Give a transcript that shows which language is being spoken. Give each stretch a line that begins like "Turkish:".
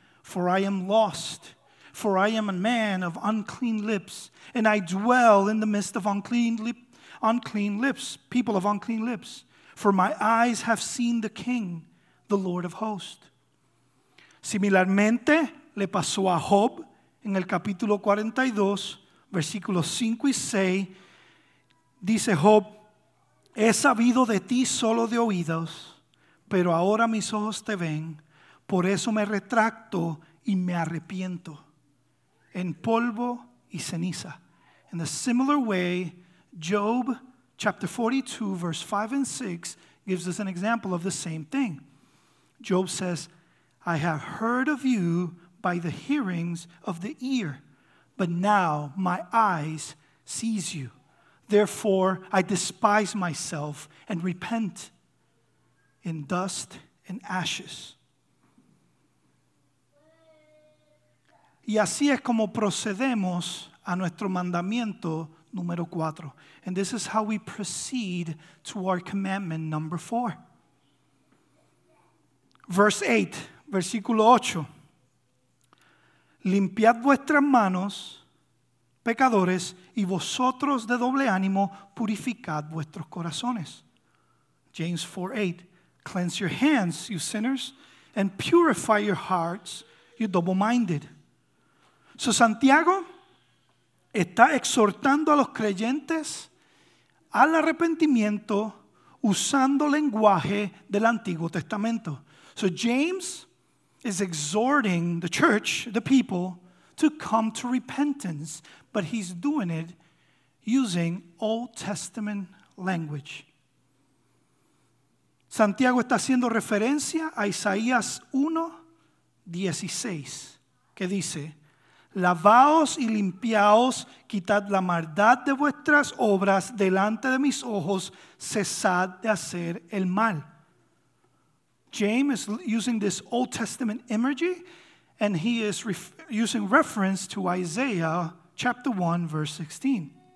English: For I am lost, for I am a man of unclean lips, and I dwell in the midst of unclean lips, people of unclean lips. For my eyes have seen the King, the Lord of hosts.
Spanish: Similarmente, le pasó a Job en el capítulo 42, versículos 5 y 6. Dice Job, he sabido de ti solo de oídos, pero ahora mis ojos te ven, por eso me retracto y me arrepiento en polvo y ceniza.
English: In a similar way, Job chapter 42, verse 5 and 6 gives us an example of the same thing. Job says, I have heard of you by the hearings of the ear, but now my eyes sees you. Therefore, I despise myself and repent in dust and ashes.
Spanish: Y así es como procedemos a nuestro mandamiento número 4.
English: And this is how we proceed to our commandment number 4. Verse 8,
Spanish: versículo 8. Limpiad vuestras manos, pecadores, y vosotros de doble ánimo, purificad vuestros corazones.
English: James 4:8. Cleanse your hands, you sinners, and purify your hearts, you double-minded.
Spanish: So Santiago está exhortando a los creyentes al arrepentimiento usando lenguaje del Antiguo Testamento.
English: So James is exhorting the church, the people, to come to repentance, but he's doing it using Old Testament language.
Spanish: Santiago está haciendo referencia a Isaías 1:16, que dice, lavaos y limpiaos, quitad la maldad de vuestras obras delante de mis ojos, cesad de hacer el mal.
English: James is using this Old Testament imagery, and he is using reference to Isaiah chapter 1, verse 16.